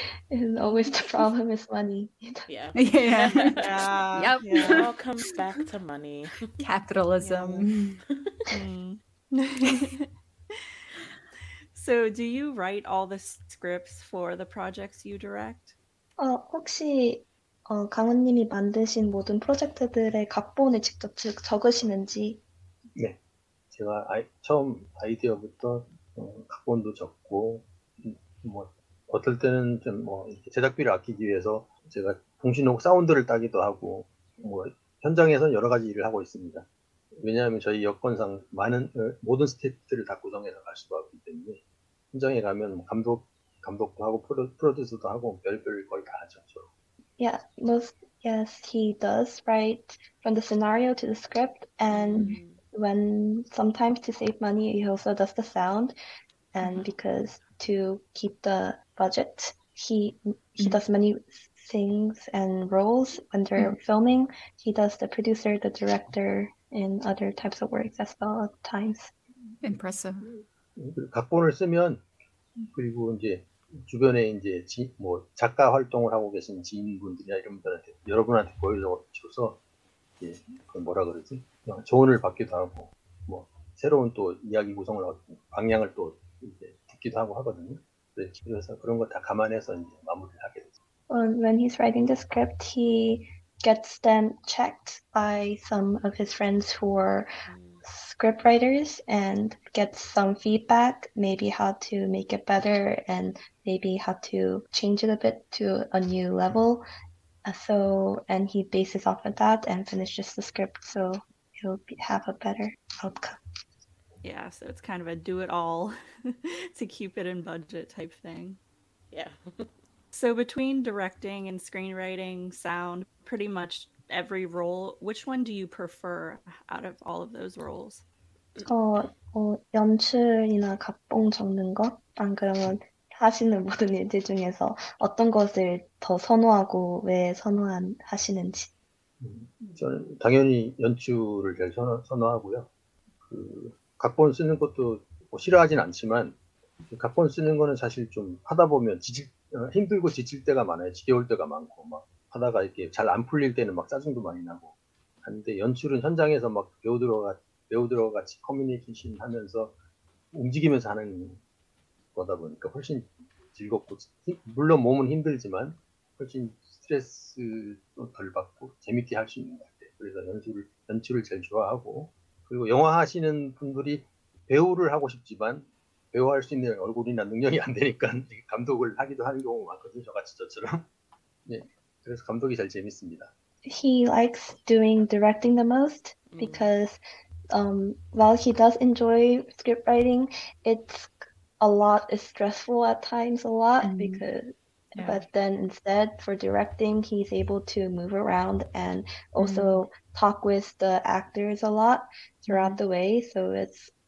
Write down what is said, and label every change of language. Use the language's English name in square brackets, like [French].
[English] It's always the problem is money. Yeah. Yeah. Yep. Yeah, it all comes back to money. Capitalism. So do you write all the scripts for the projects you direct? [Korean] 혹시 강원님이 만드신 모든 프로젝트들의 각본을 직접 적으시는지? 네. 제가 처음 아이디어부터 각본도 적고 뭐 어떨 때는 좀 뭐 제작비를 아끼기 위해서 제가 통신용 사운드를 따기도 하고 뭐 현장에서 여러 가지 일을 하고 있습니다. 왜냐하면 저희 여건상 많은 모든 스태프들을 다 구성해서 갈 수가 없기 때문에 현장에 가면 감독도 하고 프로듀서도 하고 별별 거의 다 하죠. 저. [English] Yes, he does write from the scenario to the script and mm-hmm. when sometimes to save money he also does the sound and because to keep the budget he mm-hmm. does many things and roles when they're mm-hmm. filming. He does the producer, the director, and other types of works as well at times. Impressive. [Korean] 각본을 쓰면 그리고 이제 주변에 이제 뭐 작가 활동을 하고 계신 지인분들이나 이런 분들한테 여러분한테 보여줘서 이제 뭐라 그러지 조언을 받기도 하고 뭐 새로운 또 이야기 구성을 하고 방향을 또 이제 듣기도 하고 하거든요. 그래서 그런 거 다 감안해서 이제 마무리를 하게 되죠. [English] When he's writing the script, he gets them checked by some of his friends who are scriptwriters and get some feedback, maybe how to make it better and maybe how to change it a bit to a new level. So, and he bases off of that and finishes the script so he'll have a better outcome. Yeah, so it's kind of a do it all to keep it in budget type thing. Yeah. So between directing and screenwriting, sound, pretty much every role, which one do you prefer out of all of those roles? [Korean] 연출이나 각본 적는 것, 안 그러면 하시는 모든 일들 중에서 어떤 것을 더 선호하고 왜 선호하시는지? 저는 당연히 연출을 제일 선호하고요. 그 각본 쓰는 것도 뭐 싫어하진 않지만 각본 쓰는 거는 사실 좀 하다 보면 힘들고 지칠 때가 많아요. 지겨울 때가 많고 막 하다가 이렇게 잘 안 풀릴 때는 막 짜증도 많이 나고 하는데 연출은 현장에서 막 배우들과 같이 커뮤니케이션 하면서 움직이면서 하는 거다 보니까 훨씬 즐겁고 물론 몸은 힘들지만 훨씬 스트레스도 덜 받고 재밌게 할 수 있는 것 같아요. 그래서 연출을 제일 좋아하고 그리고 영화 하시는 분들이 배우를 하고 싶지만 배우 할 수 있는 얼굴이나 능력이 안 되니까 감독을 하기도 하는 경우가 많거든요. 저같이 저처럼. 네. 그래서 감독이 제일 재밌습니다. [English] He likes doing directing the most because while he does enjoy script writing, it's stressful at times a lot but then instead for directing, he's able to move around and also talk with the actors a lot throughout the way. So it's